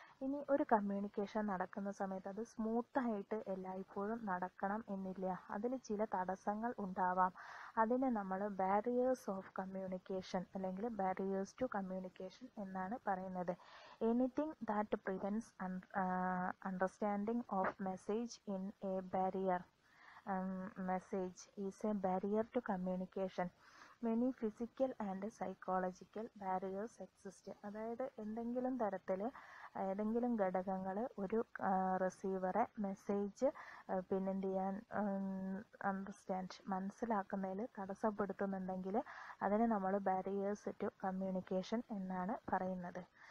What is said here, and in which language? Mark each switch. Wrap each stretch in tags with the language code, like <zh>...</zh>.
<ml>ഇനി ഒരു കമ്മ്യൂണിക്കേഷൻ നടക്കുന്ന സമയത്ത് അത് സ്മൂത്തായിട്ട് എല്ലായ്പ്പോഴും നടക്കണം എന്നില്ല, അതിൽ ചില തടസ്സങ്ങൾ ഉണ്ടാവാം. അതിനെ നമ്മൾ ബാരിയേഴ്സ് ഓഫ് കമ്മ്യൂണിക്കേഷൻ അല്ലെങ്കിൽ ബാരിയേഴ്സ് ടു കമ്മ്യൂണിക്കേഷൻ എന്നാണ് പറയുന്നത്.</ml> <en>Anything that prevents understanding of message in a barrier. message is a barrier to communication. Many physical and psychological barriers exist.</en> <ml>അതായത് എന്തെങ്കിലും തരത്തിൽ ഏതെങ്കിലും ഘടകങ്ങൾ ഒരു റിസീവറെ മെസ്സേജ് പിന്നെന്ത് ചെയ്യാൻ അണ്ടർസ്റ്റാൻഡ് മനസ്സിലാക്കുന്നതിൽ തടസ്സപ്പെടുത്തുന്നുണ്ടെങ്കിൽ അതിനെ നമ്മൾ ബാരിയേഴ്സ് ടു കമ്മ്യൂണിക്കേഷൻ എന്നാണ് പറയുന്നത്.</ml>